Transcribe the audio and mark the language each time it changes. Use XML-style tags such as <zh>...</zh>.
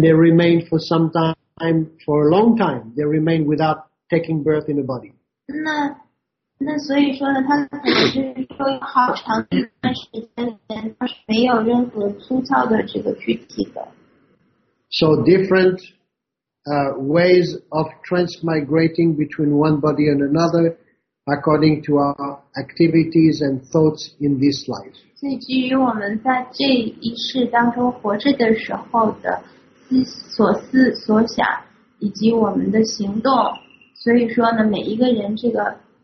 <en>they remain for some time, for a long time, they remain without taking birth in the body.</en> <zh>那所以说呢，他可能就是说，好长一段时间里面，他是没有任何粗糙的这个躯体的。</zh> <en>So different ways of transmigrating between one body and another, according to our activities and thoughts in this life.</en> <zh>所以基于我们在这一世当中活着的时候的所思所想，以及我们的行动，所以说呢，每一个人这个。</zh>